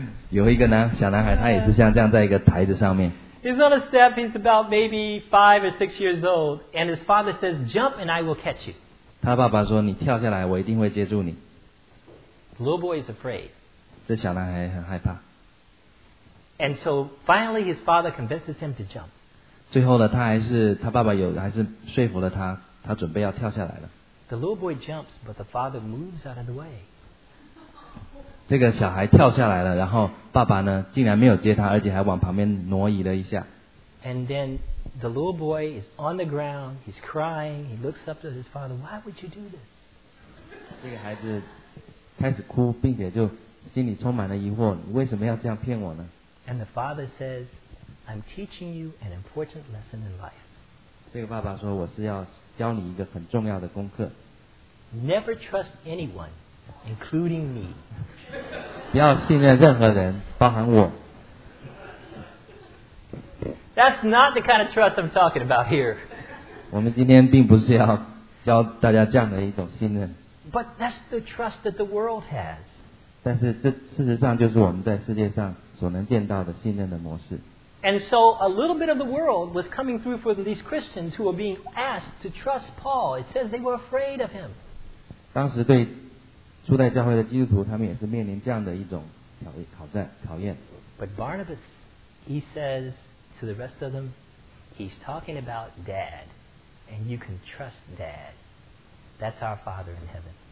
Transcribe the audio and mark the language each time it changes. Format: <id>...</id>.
<zh>有一个男小男孩，他也是像这样在一个台子上面。</zh> <en>He's on a step. He's about maybe 5 or 6 years old, and his father says, "Jump, and I will catch you."</en> <zh>他爸爸说：“你跳下来，我一定会接住你。”</zh> <en>The little boy is afraid.</en> <zh>这小男孩很害怕。</zh> <en>And so finally, his father convinces him to jump.</en> <zh>最后呢，他还是他爸爸有还是说服了他，他准备要跳下来了。</zh> <en>The little boy jumps, but the father moves out of the way.</en> <zh>这个小孩跳下来了，然后爸爸呢，竟然没有接他，而且还往旁边挪移了一下。</zh> <en>And then the little boy is on the ground. He's crying. He looks up to his father. Why would you do this?</en> <zh>这个孩子开始哭，并且就心里充满了疑惑：你为什么要这样骗我呢？</zh> <en>And the father says, "I'm teaching you an important lesson in life."</en> <zh>这个爸爸说：我是要教你一个很重要的功课。</zh> <en>Never trust anyone, including me.</en> <zh>不要信任任何人，包含我。</zh> <en>That's not the kind of trust I'm talking about here.</en> <zh>我们今天并不是要教大家这样的一种信任。</zh> <en>But that's the trust that the world has.</en> <zh>但是这事实上就是我们在世界上所能见到的信任的模式。</zh> <en>And so a little bit of the world was coming through for these Christians who were being asked to trust Paul. It says they were afraid of him.</en> <zh>当时对初代教会的基督徒，他们也是面临这样的一种考验。</zh> <en>But Barnabas, he says to the rest of them, he's talking about Dad, and you can trust Dad. That's our Father in heaven.</en>